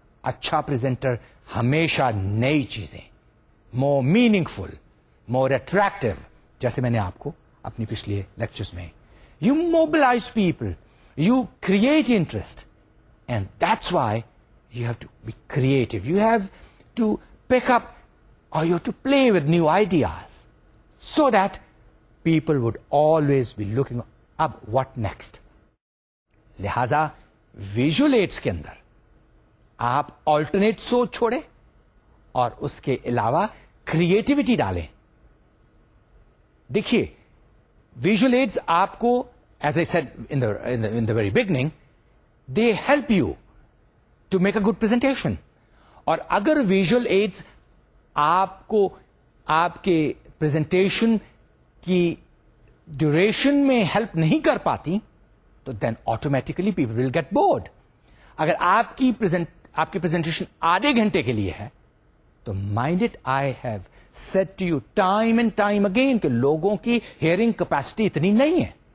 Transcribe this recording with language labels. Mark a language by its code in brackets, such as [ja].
[ur] اچھا پریزنٹر ہمیشہ نئی چیزیں, [en] more meaningful, more attractive, [ur] جیسے میں نے آپ کو اپنی پچھلے لیکچرز میں, [en] You mobilize people, you create interest, and that's why you have to be creative, you have to pick up اور you have to play with new ideas so that people would always be looking at what next. [ur] لہذا visual ads کے اندر آپ alternate سوچ چھوڑے اور اس کے علاوہ کریٹیوٹی ڈالیں. دیکھیے ویژول ایڈس آپ کو, [en] As I said in the very beginning, they help you to make a good presentation. [ur] اور اگر ویژول ایڈس آپ کو آپ کے پریزنٹیشن کی ڈیوریشن میں ہیلپ نہیں کر پاتی تو [en] Then automatically people will get bored. [ur] اگر آپ کی پریزنٹیشن آدھے گھنٹے کے لیے ہے تو [en] mind it, I have said to you time and time again [ur] کہ لوگوں کی ہیئرنگ کیپیسٹی اتنی نہیں ہے.